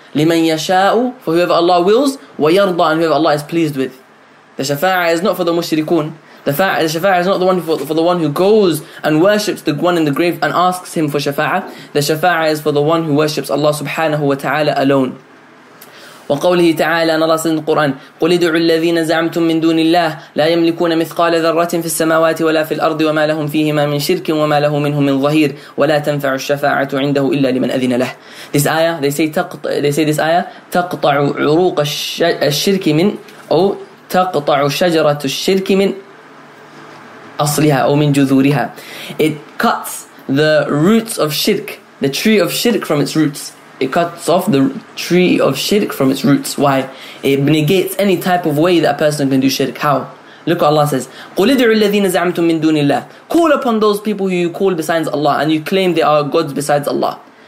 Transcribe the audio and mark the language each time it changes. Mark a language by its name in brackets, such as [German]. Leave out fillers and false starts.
[Arabic] لمن يشاء [English] for whoever Allah wills. ويرضى and whoever Allah is pleased with. The shafa'ah is not for the mushrikun. The shafa'ah is not the one for the one who goes and worships the one in the grave and asks him for shafa'ah. The shafa'ah is for the one who worships Allah subhanahu wa taala alone. [Arabic] وقوله تعالى أن الله سيد القرآن قل ادعوا الذين زعمتم من دون الله لا يملكون مثقال ذرة في السماوات ولا في الأرض وما لهم فيهما من شرك وما له منهم من ظهير ولا تنفع الشفاعة عنده إلا لمن أذن له. [English] This ayah, they say this ayah [Arabic] تقطع عروق الشرك من أو تقطع شجرة الشرك من أصلها أو من جذورها. [English] It cuts the roots of shirk, the tree of shirk from its roots. It cuts off the tree of shirk from its roots. Why? It negates any type of way that a person can do shirk. How? Look what Allah says. [Arabic] قُلِ ادْعُوا الَّذِينَ زَعَمْتُمْ مِنْ دُونِ اللَّهِ. [English] Call upon those people who you call besides Allah and you claim they are gods besides Allah.